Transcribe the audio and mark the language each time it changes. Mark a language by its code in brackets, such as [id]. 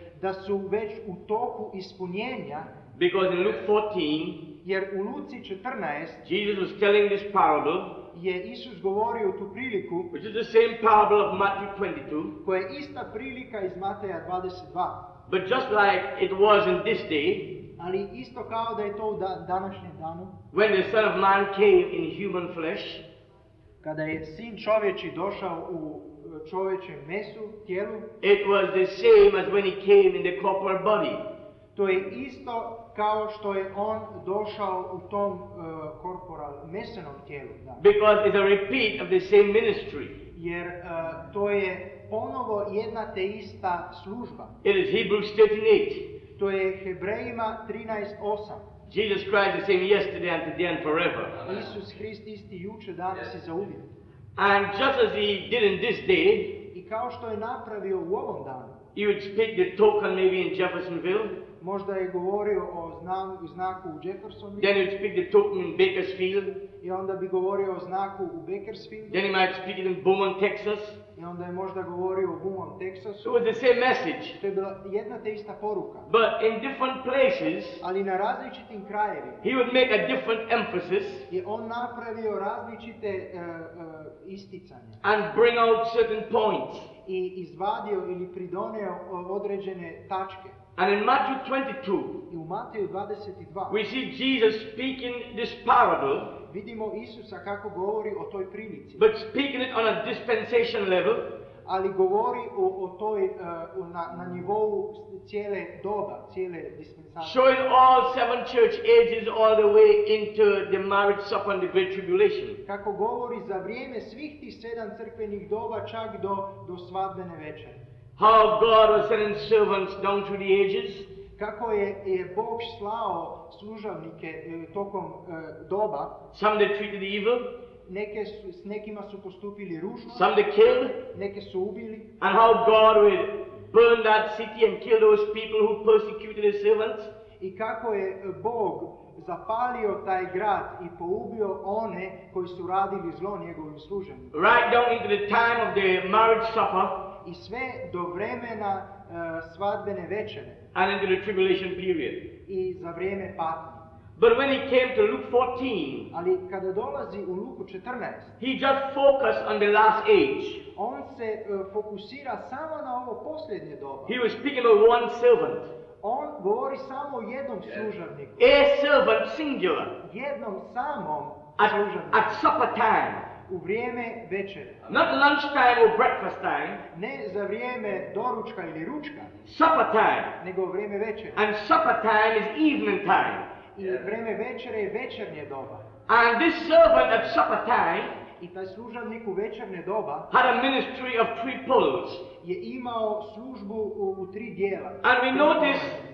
[bs] da su već u toku ispunjenja, [en] because in Luke 14, [bs] Jer u Luci 14 [en] Jesus was telling this parable, [bs] je Isus govorio tu priliku, [en] which is the same parable of Matthew 22, [bs] koja je ista prilika iz Mateja 22. [en] But just like it was in this day, [bs] ali isto kao da je to u današnjem danu, [en] when the Son of Man came in human flesh, [bs] kada je Sin čovječi došao u čovječem mesu, tijelu, [en] it was the same as when he came in the corporal body. [bs] To je isto kao što je on došao u tom korporal mesenom tijelu, da. [en] Because it's a repeat of the same ministry. [bs] Jer to je ponovo jedna te ista služba. [en] It is Hebrews 13:8. [bs] To je Hebrejima 13:8. [en] Jesus Christ the same yesterday and today and forever. [bs] Isus Hrist isti juče, danas i zauvijek. [en] And just as he did in this day, [bs] i kao što je napravio u ovom danu, [en] he would speak the token maybe in Jeffersonville. [bs] Možda je govorio o znaku u Jeffersonville. [en] Then he would speak the token in Bakersfield. [bs] I onda bi govorio o znaku u Bakersfield. [en] Then he might speak it in Beaumont, Texas. [bs] I onda je možda govorio o Beaumont, Texas. [en] It was the same message. [bs] To je bila jedna te ista poruka. [en] But in different places, [bs] ali na različitim krajevima, [en] he would make a different emphasis. [bs] Je on napravio različite isticanja. [en] And bring out certain points. [bs] I izvadio ili pridoneo određene tačke. [en] And in Matthew 22, [bs] u Mateju 22, [en] we see Jesus speaking this parable, [bs] vidimo Isusa kako govori o toj prilici, [en] but speaking it on a dispensation level, [bs] ali govori o toj na nivou cijele doba, cijele dispensacije, [en] showing all seven church ages all the way into the marriage supper and the great tribulation, [bs] kako govori za vrijeme svih tih sedam crkvenih doba čak do svadbene večeri. [en] How God was sending servants down through the ages. [bs] Kako je Bog slao služavnike tokom doba. [en] Some they treated evil. [bs] Neke su, s nekima su postupili ružno. [en] Some they killed. [bs] Neke su ubili. [en] And how God would burn that city and kill those people who persecuted his servants. [bs] I kako je Bog zapalio taj grad i poubio one koji su radili zlo njegovim služenim. [en] Right down into the time of the marriage supper. [bs] I sve do vremena svadbene večere. [en] And into the tribulation period. [bs] I za vrijeme patnje. [en] But when he came to Luke 14, [bs] ali kada dolazi u Luku 14, [en] he just focused on the last age. [bs] On se fokusira samo na ovo posljednje doba. [en] He was speaking of one servant. [bs] On govori samo o jednom služavniku. [en] A servant singular. [bs] Jednom samom [en] at, [bs] služavniku. [en] At supper time. [bs] U vrijeme večere. [en] Not lunch time or breakfast time. [bs] Ne za vrijeme doručka ili ručka. [en] Supper time. [bs] Nego vrijeme večere. [en] And supper time is evening time. [bs] I vrijeme večere je večernje doba. [en] And this servant at supper time. [bs] I taj služavnik u večernje doba. [en] Had a ministry of three poles. [bs] Je imao službu u tri dijela. [en] And we notice.